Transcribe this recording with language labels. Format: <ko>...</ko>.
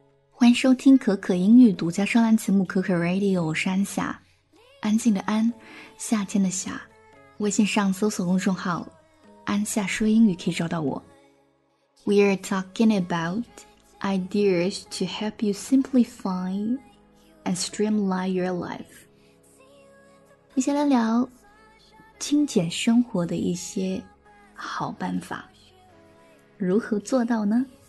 <zh>欢迎收听可可英语独家专栏节目可可 Radio， 我是安夏，安静的安，夏天的夏。微信上搜索公众号安夏说英语可以找到我。</zh> <en>We are talking about ideas to help you simplify and streamline your life。</en> <zh>一起来聊精简生活的一些好办法，如何做到呢？</zh>